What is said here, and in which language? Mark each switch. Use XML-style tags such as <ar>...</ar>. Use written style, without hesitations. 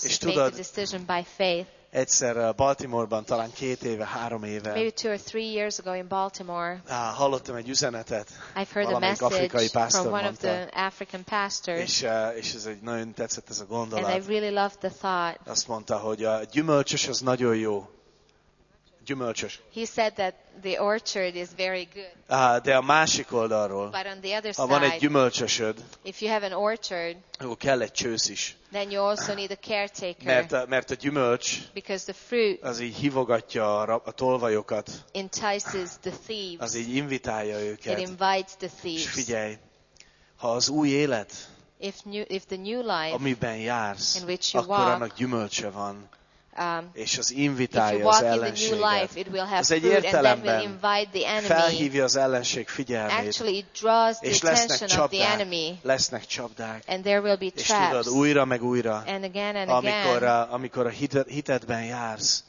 <hu>És tudod, egyszer Baltimore-ban, talán 2-3 éve.</hu> <en>Maybe 2 or 3 years ago in Baltimore.</en> <hu>Hallottam egy üzenetet.</hu> <en>I've heard a message</en> <hu>afrikai pásztor</hu> <en>from one</en> <hu>mondta,</hu> <en>of the African pastors.</en> <hu>És ez egy nagyon tetszett ez a gondolat.</hu> <en>And I really loved the thought.</en> <hu>Azt mondta, hogy a gyümölcsös az nagyon jó. Gyümölcsös.</hu> <en>He said that the orchard is very good.</en> <hu>De a másik oldalról.</hu> <en>But on the other side.</en> <hu>Ha van egy gyümölcsösöd.</hu> <en>If you have an orchard.</en> <hu>Akkor kell egy csősz is.</hu> <en>Then you also need a caretaker.</en> <hu>Mert a gyümölcs.</hu> <en>Because the fruit.</en> <hu>Az így hívogatja a tolvajokat.</hu> <en>Entices the thieves.</en> <hu>Az így invitálja őket.</hu> <en>It invites the thieves.</en> <hu>És figyelj, ha az új élet.</hu> <en>If the new life.</en> <hu>Amiben jársz.</hu> <en>In which you</en> <hu>akkor</hu> <en>walk,</en> <hu>annak gyümölcse van. és az invitálja az ellenséget. Ez egy értelemben felhívja az ellenség figyelmét.</hu> <en>Actually, it draws the attention of the enemy.</en> <hu>Lesznek csapdák.</hu> <en>And there will be traps.</en> <hu>És tudod, újra meg újra.</hu> <en>And again and</en> <hu>amikor, amikor a hitedben jársz,</hu>